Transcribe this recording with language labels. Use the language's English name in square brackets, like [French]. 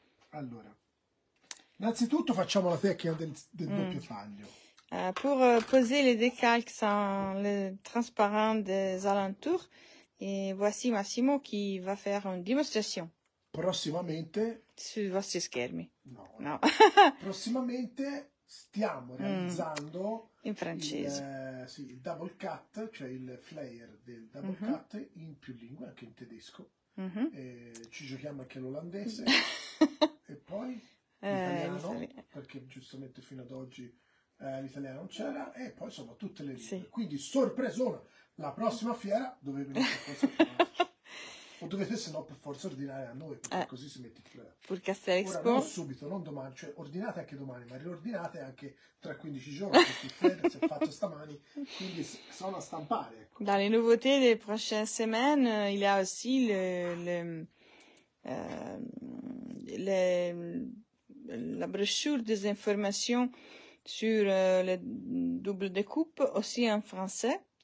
[Italian] Allora, innanzitutto facciamo la tecnica del doppio taglio. [French] Pour poser les décalques sans le transparent des alentours, et voici Massimo qui va faire une démonstration. [Italian] Prossimamente. Sui vostri schermi. No. No. Prossimamente stiamo realizzando. In francese. Sì, il double cut, cioè il flare del double cut in più lingue, anche in tedesco. E ci giochiamo anche all'olandese. E poi l'italiano, perché giustamente fino ad oggi l'italiano non c'era. E poi insomma tutte le lingue. Sì. Quindi sorpresona, la prossima fiera dove venite per forza. O dovete se no per forza ordinare a noi, perché così si mette il flare. Perché a Castel Expo. Ora non subito, non domani, cioè ordinate anche domani, ma riordinate anche tra 15 giorni, perché il flare si è fatto stamani, quindi sono a stampare. Ecco. [French] Dans les nouveautés des prochaines semaines, il y a aussi la brochure des informations sur le double découpe, aussi en français.